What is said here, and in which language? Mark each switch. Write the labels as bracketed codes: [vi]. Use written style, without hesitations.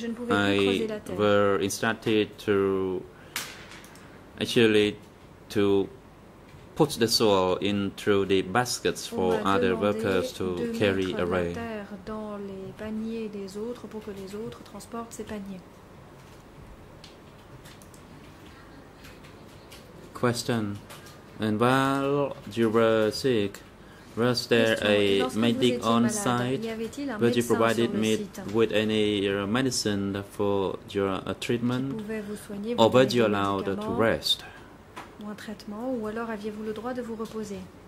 [en] I were instructed to actually to put the soil into the baskets for other workers to carry away. [fr] Dans les paniers des autres pour que les autres transportent ces paniers. [en] Question. And while you were sick, was there a medic on site? Were you provided me with any medicine for your treatment? Or were you allowed to rest? [fr] Ou un traitement, ou alors aviez-vous le droit de vous reposer?